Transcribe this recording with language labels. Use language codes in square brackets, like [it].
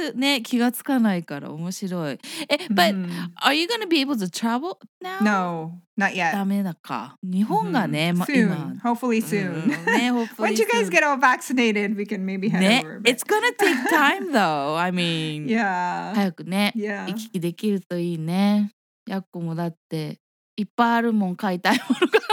[ja] そのために日本に来る。そういうのだって全くね気がつかないから面白い。 [en] But are you going to be able to travel now? No, not yet. [ja] ダメだか。日本がね、 [en] Soon, hopefully soon. Once you guys get all vaccinated, we can maybe head over. It's going to take time though, I mean. Yeah. [ja] 早くね、行き来できるといいね。やっこもだっていっぱいあるもん、買いたいものが。